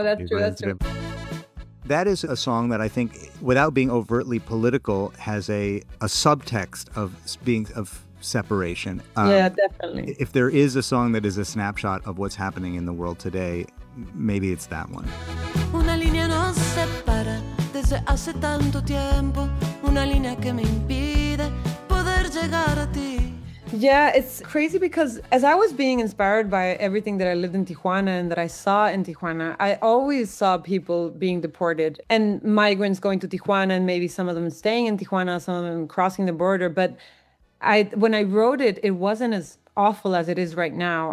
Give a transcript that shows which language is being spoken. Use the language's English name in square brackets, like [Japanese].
[English] Oh, that's true. That's true. That is a song that I think, without being overtly political, has a subtext of being of separation. Definitely. If there is a song that is a snapshot of what's happening in the world today, maybe it's that one. [Spanish] Una línea nos separa desde hace tanto tiempo. Una línea que me impide poder llegar a ti. [English] Yeah, it's crazy because as I was being inspired by everything that I lived in Tijuana and that I saw in Tijuana, I always saw people being deported and migrants going to Tijuana and maybe some of them staying in Tijuana, some of them crossing the border. But when I wrote it, it wasn't as awful as it is right now.